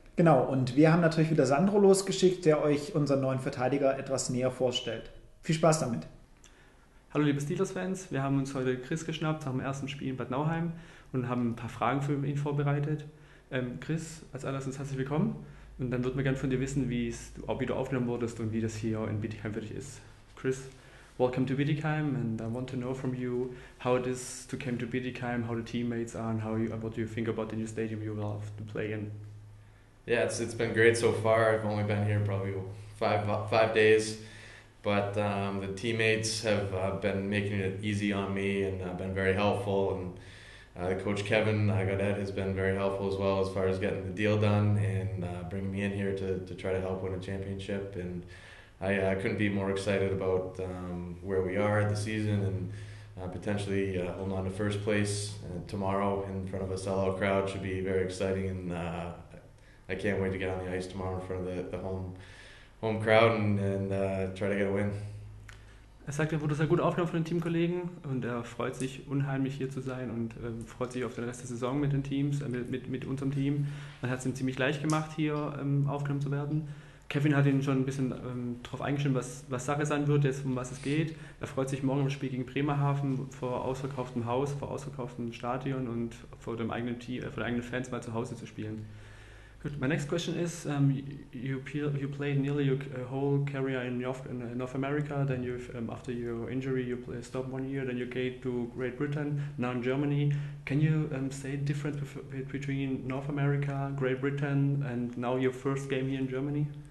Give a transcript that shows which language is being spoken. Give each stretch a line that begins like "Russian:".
German: Genau, und wir haben natürlich wieder Sandro losgeschickt, der euch unseren neuen Verteidiger etwas näher vorstellt. Viel Spaß damit. Hallo liebe Steelers-Fans, wir haben uns heute Chris geschnappt nach dem ersten Spiel in Bad Nauheim und haben ein paar Fragen für ihn vorbereitet. Chris, als allererstes herzlich willkommen und dann würden wir gerne von dir wissen, wie du aufgenommen wurdest und wie das hier in Bietigheim für dich ist.
English: Chris, welcome to Bietigheim and I want to know from you how it is to come to Bietigheim, how the teammates are and how you, what do you think about the new stadium you will have to play in? Yeah, it's been great so far. I've only been here probably five days. But the teammates have been making it easy on me and been very helpful. And Coach Kevin Gaudette has been very helpful as well as far as getting the deal done and bringing me in here to try to help win a championship. And I couldn't be more excited about where we are at the season and potentially holding on to first place tomorrow in front of a sellout crowd. Should be very exciting. And I can't wait to get on the ice tomorrow in front of the home crowd and try to get a win.
German: Er sagt, er wurde sehr gut aufgenommen von den Teamkollegen und er freut sich unheimlich hier zu sein und freut sich auf den Rest der Saison mit den Teams, mit unserem Team. Man hat es ihm ziemlich leicht gemacht, hier aufgenommen zu werden. Kevin hat ihn schon ein bisschen darauf eingestimmt, was Sache sein wird, jetzt, um was es geht. Er freut sich morgen im Spiel gegen Bremerhaven vor ausverkauftem Haus, vor ausverkauftem Stadion und vor dem eigenen Team, vor den eigenen Fans mal zu Hause zu spielen.
English: Good. My next question is, you played nearly your whole career in North America, then you've, after your injury you stopped 1 year, then you came to Great Britain, now in Germany. Can you say the difference between North America, Great Britain, and now your first game here in Germany?